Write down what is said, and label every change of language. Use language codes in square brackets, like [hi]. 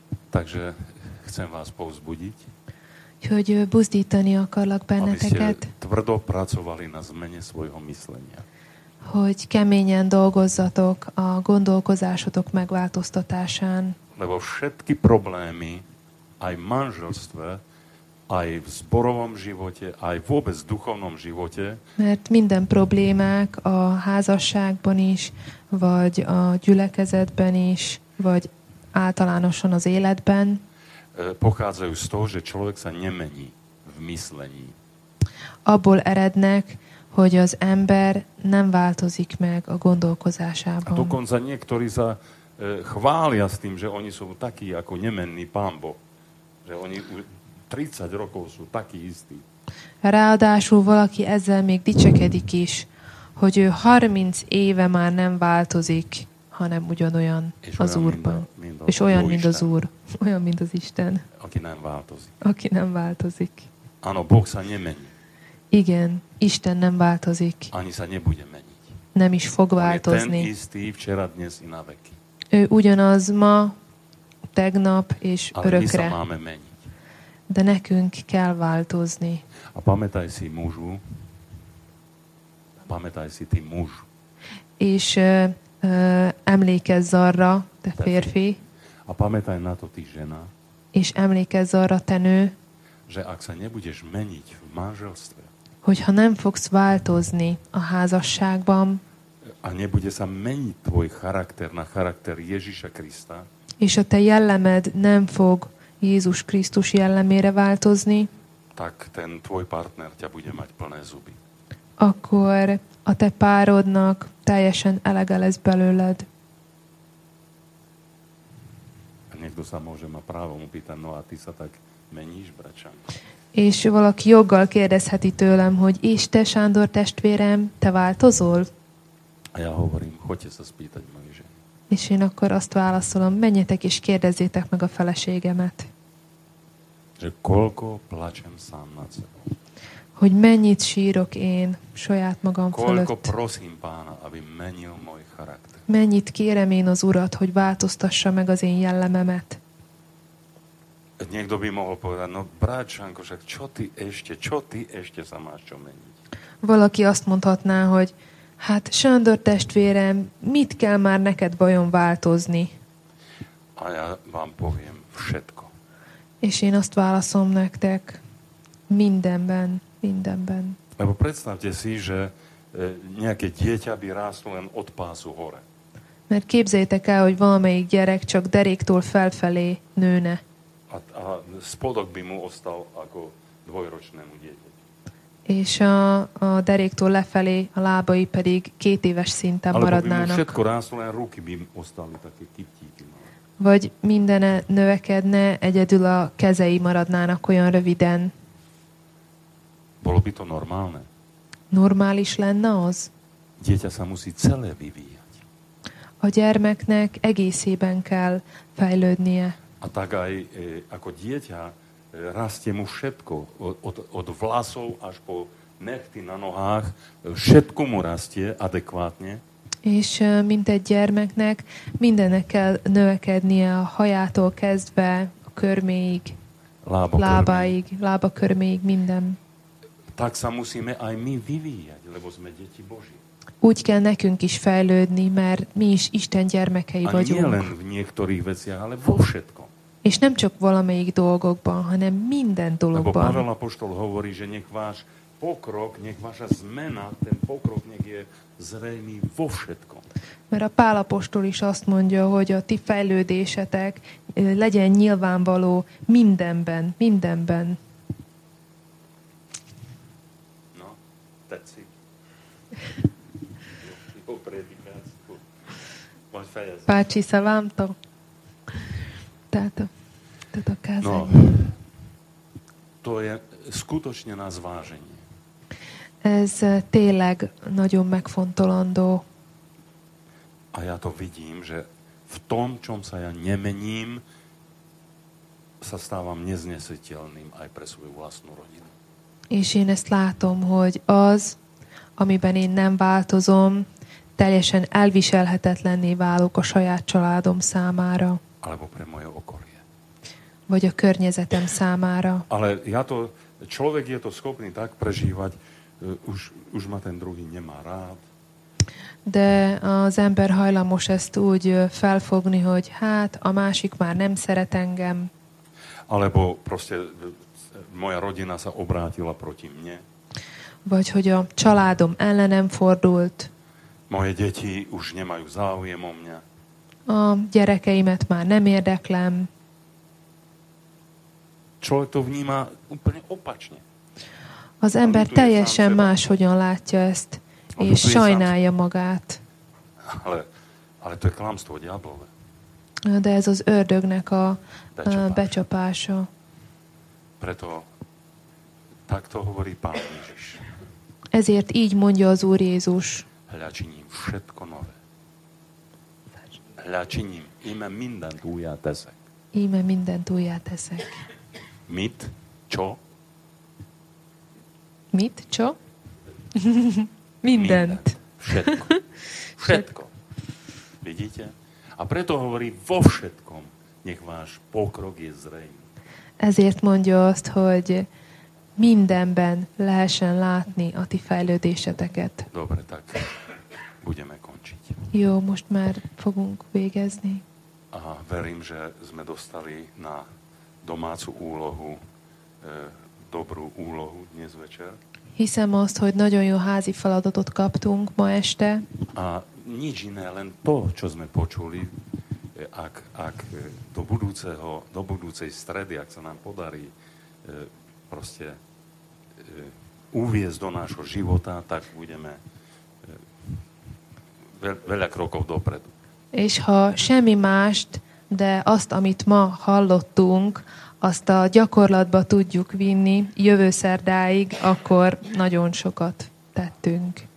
[sk] Takže chcem vás povzbudiť. [hu] Hogy buzdítani akarlak benneteket. [sk] Aby ste tvrdo pracovali na zmene svojho myslenia. [hu] Hogy keményen dolgozzatok a gondolkozásotok megváltoztatásán. [sk] Lebo všetky problémy, aj v manželstve, aj v zborovom živote, aj vôbec v duchovnom živote. [hu] Mert minden problémák a házasságban is, vagy a gyülekezetben is, vagy általánosan az életben. [sk] Pochádzajú z toho, že človek sa nemení v myslení. [hu] Abból erednek, hogy az ember nem változik meg a gondolkozásában. [sk] A dokonca niektorí sa chvália s tým, že oni sú takí ako nemenný Pán Boh. Že oni 30 rokov sú takí istí. [hu] Ráadásul valaki ezzel még dicsekedik is, hogy ő 30 éve már nem változik, hanem ugyanolyan az Úrban. És olyan, mint az Úr. Olyan, mint az Isten. Aki nem változik. Aki nem változik. [sk] Áno, Boh sa nemení. [hu] Igen, Isten nem változik. [sk] Ani sa nebude meniť. [hu] Nem is fog változni. [sk] Ten istý včera, dnes i na veky. [hu] Ő ugyanaz ma, tegnap és örökre. [sk] Ale my sa máme meniť. [hu] De nekünk kell változni. [sk] A pamätaj si mužu. Pamätaj si ty muž. [hu] És emlékezz arra, te férfi. [sk] A pamätaj na to, ty žena. [hu] És emlékezz arra, te nő. [sk] Že ak sa nebudeš meniť v manželstve. [hu] Hogyha nem fogsz változni a házasságban. [sk] A nebude sa meniť tvoj charakter na charakter Ježiša Krista. [hu] És a te jellemed nem fog Jézus Krisztus jellemére változni. [sk] Tak ten tvoj partner ťa bude mať plné zuby. [hu] Akkor a te párodnak teljesen elege lesz belőled. [sk] A niekto sa môže ma právom pýtať, no a ty sa tak meníš, bratšan. [hu] És valaki joggal kérdezheti tőlem, hogy és te, Sándor testvérem, te változol? [sk] A ja hovorím, [hu] hogy ezt az [sk] pýtať mai ženi. [hu] És én akkor azt válaszolom, menjetek és kérdezzétek meg a feleségemet. [sk] Že koľko plačem sám nad sebou. [hu] Hogy mennyit sírok én saját magam fölött. [sk] Koľko prosím Pána, aby menil môj charakter. [hu] Mennyit kérem én az Urat, hogy változtassa meg az én jellememet. [sk] Niekto by mohol povedať, no bráčanko, však čo ty ešte sa máš čo meniť? [hu] Valaki azt mondhatná, hogy hát Sándor testvérem, mit kell már neked vajon változni? [sk] A ja vám poviem všetko. [hu] És én azt válaszom nektek mindenben. Mindenben. [sk] Lebo predstavte si, že nejaké dieťa by rástlo len od pásu hore. [hu] Mert képzeljétek el, hogy valamelyik gyerek csak deréktól felfelé nőne. [sk] A spodok by mu ostal ako dvojročnému dieťa. [hu] És a deréktól lefelé a lábai pedig két éves szinten [sk] alebo [hu] maradnának. [sk] Alebo by mu všetko rástlo, len ruky by ostali také kiptíky. [hu] Vagy mindene növekedne, egyedül a kezei maradnának olyan röviden. [sk] Bolo by to normálne? [hu] Normális lenne az? [sk] Dieťa sa musí celé vyvíjať. [hu] A gyermeknek egészében kell fejlődnie. [sk] A tak aj ako dieťa rastie mu všetko. Od vlasov až po nechty na nohách. Všetko mu rastie adekvátne. [hu] És mint egy gyermeknek mindennek kell növekednie a hajától kezdve a körméig. Lábaig, lába körméig, minden. [sk] Tak sa musíme aj my vyvíjať, lebo sme deti Boží. [hu] Úgy kell nekünk is fejlődni, mert mi is Isten gyermekei a vagyunk. [sk] A nielen v niektorých veciach, ale vo všetkom. [hu] És nem csak valamelyik dolgokban, hanem minden dologban. [sk] Lebo Pavel apoštol hovorí, že nech váš pokrok, nech vaša zmena, ten pokrok, nech je zrejmý vo všetkom. [hu] Mert a Pál apostol is azt mondja, hogy a ti fejlődésetek legyen nyilvánvaló mindenben, mindenben. No, tetszik. Jó prédikáció. Majd fejezem. Pácsi, szavámtó. Tehát a kázani. [sk] No, to je skutočne na zváženie. [hu] Ez tényleg nagyon megfontolandó. [sk] A ja to vidím, že v tom, čom sa ja nemením, sa stávam neznesiteľným aj pre svoju vlastnú rodinu. [hu] És én ezt látom, hogy az, amiben én nem változom, teljesen elviselhetetlenné válok a saját családom számára. [sk] Alebo pre moje okolie. [hu] Vagy a környezetem számára. [sk] Ale ja to, človek je to schopný tak prežívať, už ma ten druhý nemá rád. [hu] De az ember hajlamos ezt úgy felfogni, hogy hát, a másik már nem szeret engem. [sk] Alebo proste moja rodina sa obrátila proti mne. [hu] Vagy hogy a családom ellenem fordult. [sk] Moje deti už nemajú záujem o mňa. [hu] A gyerekeimet már nem érdeklem. [sk] Človek to vníma úplne opačne. [hu] Az ember teljesen máshogyan látja ezt. És sajnálja magát. [sk] Ale to je klamstvo diablové. [hu] De ez az ördögnek a becsapása. [sk] Preto takto hovorí Pán Ježiš. [hu] Ezért így mondja az Úr Jézus. [sk] Hľa, činím všetko nové. Hľa, činím. [hu] Íme mindent újjá teszek. Íme mindent újjá teszek. Mit? [sk] Čo? [hu] Mit? [sk] Čo? [hu] Mindent. [sk] Všetko. Vidíte? A preto hovorí vo všetkom, nech váš pokrok je zrejmý. [hu] Ezért mondja azt, hogy mindenben lehessen látni a ti fejlődéseteket. [sk] Dobre, tak budeme končiť. [hu] Jó, most már fogunk végezni. [sk] A verím, že sme dostali na domácu úlohu, dobrú úlohu dnes večer. [hu] Hiszem azt, hogy nagyon jó házi feladatot kaptunk ma este. [sk] A nič iné, len to, čo sme počuli, ak do budúcej stredy, ak sa nám podarí proste uviesť do nášho života, tak budeme veľa krokov dopredu. [hu] És ha semmi mást, de azt, amit ma hallottunk, azt a gyakorlatba tudjuk vinni jövő szerdáig, akkor nagyon sokat tettünk,